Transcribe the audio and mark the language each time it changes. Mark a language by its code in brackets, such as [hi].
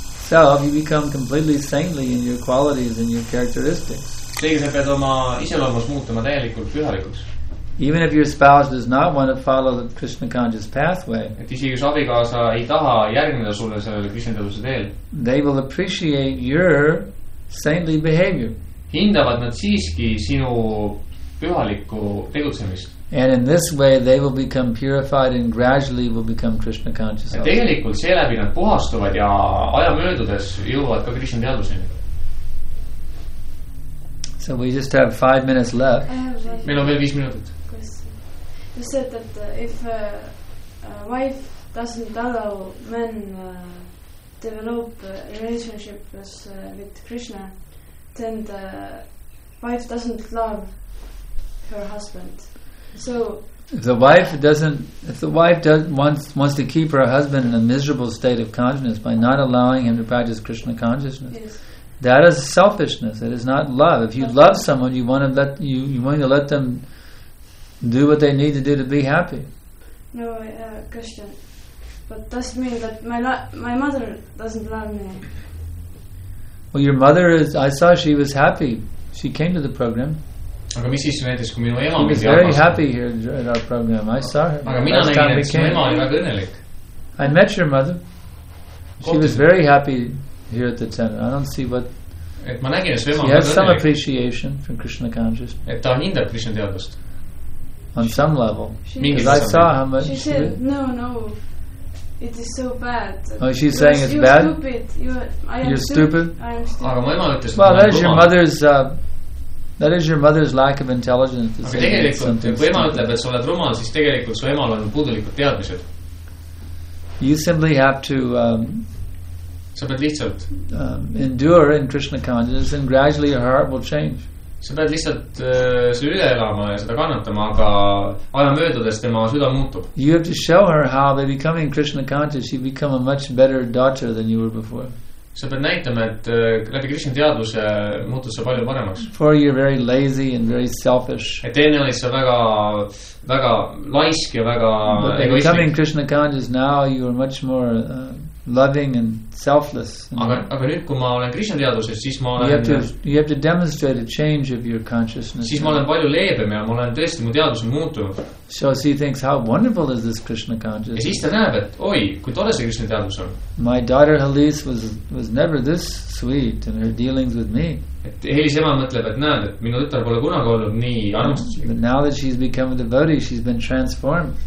[en] So you become completely saintly in your qualities and your characteristics. [et] Seega sa pead oma iseloomus muutuma täielikult pühalikuks. [en] Even if your spouse does not want to follow the Krishna conscious pathway, [et] et isegi kui abikaasa ei taha järgneda sulle sellele Krishna teaduse teel, [en] they will appreciate your saintly behavior. [et] Hindavad nad siiski sinu pühalikku tegutsemist. [en] And in this way they will become purified and gradually will become Krishna conscious. [et] Ja tegelikult see läbi nad puhastuvad ja aja möödudes jõuvad ka Krishna teaduseni. [en] So we just have 5 minutes left. [et] Meil on veel 5 minutit. [en] You said that if a wife doesn't allow men develop a relationship with Krishna, then the wife doesn't love her husband. So if the wife wants to keep her husband in a miserable state of consciousness by not allowing him to practice Krishna consciousness, yes, that is selfishness. It is not love. If you love someone, you want to let them. Do what they need to do to be happy. No, question. But does it mean that my mother doesn't love me? Well, your mother is... I saw she was happy. She came to the program. [et] Aga mis siis näiteks, kui minu ema... [en] She was very happy here at our program. I saw her. [et] Aga mina nägin, et su ema oli väga õnnelik. [en] I met your mother. She was very happy here at the center. I don't see what... [et] Et ma nägin, et su ema... [en] She has some appreciation from Krishna consciousness. [et] Et ta hindab Krishna teadust. [en] On some level. She saw how much she said, no, it is so bad. Oh, she's because saying it's you're bad? Stupid. You're stupid? I am stupid. [et] Aga, [en] well, that is your mother's... That is your mother's lack of intelligence. To say [et] tegelikult, [en] something. You simply have to endure in Krishna consciousness and gradually your heart will change. [et] Sa pead lihtsalt selle üle elama ja seda kannatama, aga aja möödudes tema süda muutub. [en] You have to show her how by becoming Krishna conscious you become a much better daughter than you were before. [et] Sa pead näitama, et läbi Krishna teaduse muutus sa palju paremaks. [en] For you're very lazy and very selfish. [et] Et enne oli sa väga, väga laisk ja väga egoistlik. [en] But becoming Krishna conscious now you are much more loving and selfless. [et] Aga nüüd, kui ma olen Krishna teaduses, siis ma olen... [en] You have to demonstrate a change of your consciousness. [et] Siis ma olen palju leebem ja ma olen tõesti, mu teadus on muutunud. [en] So she thinks, how wonderful is this Krishna consciousness? [et] Ja siis ta näeb, et oi, kui tolle see Krishna teadus on. [en] My daughter Helise was never this sweet in her dealings with me. [et] Et Helise ema mõtleb, et näed, et minu tõttar pole kunagi olnud nii armastuslik. [en] But now that she's become a devotee, she's been transformed.